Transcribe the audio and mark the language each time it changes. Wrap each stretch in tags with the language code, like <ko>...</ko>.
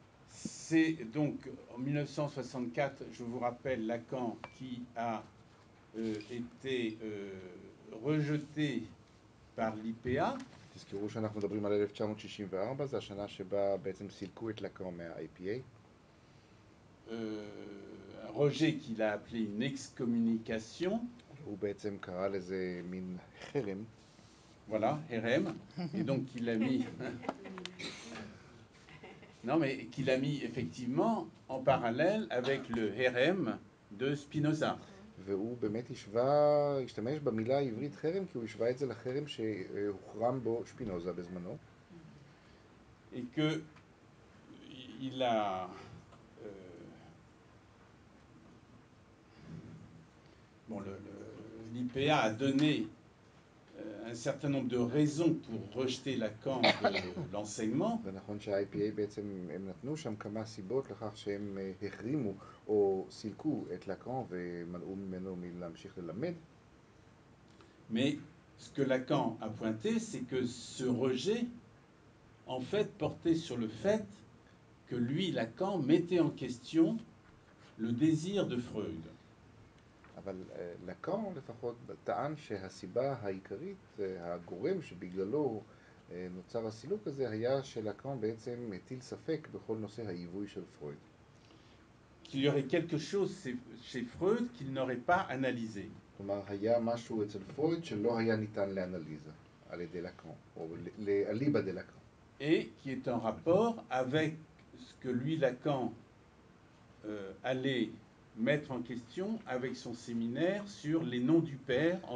<fr>C'est donc en 1964, je vous rappelle, Lacan qui a été rejeté par l'IPA.</fr> <he>תזכרו שאנחנו מדברים על 1964, זה השנה שבה בעצם סילקו את לקאן מה-IPA.</he> <fr>Un rejet qu'il a appelé une excommunication.</fr> <he>הוא בעצם קרא לזה מין חרם.</he> <fr>Voilà, חרם. Et donc il a mis... Non, mais qu'il a mis effectivement en parallèle avec le Herem de Spinoza.</fr> <he>והוא באמת השתמש במילה העברית חרם, כי הוא השווה את זה לחרם שהוחרם בו שפינוזה בזמנו.</he> <fr>Et que il a bon, l'IPA a donné un certain nombre de raisons pour rejeter Lacan de l'enseignement.</fr> <he>Ben נכון שה-IPA בעצם הם נתנו שם כמה סיבות לכך שהם החרימו או סילקו את Lacan ומנעו ממנו מלהמשיך ללמד.</he> <fr>Mais ce que Lacan a pointé, c'est que ce rejet, en fait, portait sur le fait que lui, Lacan, mettait en question le désir de Freud.</fr> <he>אבל לקאן לפחות טען שהסיבה העיקרית, הגורם שבגללו נוצר הסילוק הזה, היה שלקאן בעצם מטיל ספק בכל נושא העיווי של פרויד.</he> <fr>Qu'il y aurait quelque chose chez Freud qu'il n'aurait pas analysé.</fr> <he>כלומר, היה משהו אצל פרויד שלא היה ניתן לאנליזה על ידי לקאן, או לאליבא דה לקאן.</he> <fr>Et qui est en rapport avec ce que lui, Lacan, allait mettre en question avec son séminaire sur les noms du père en</fr>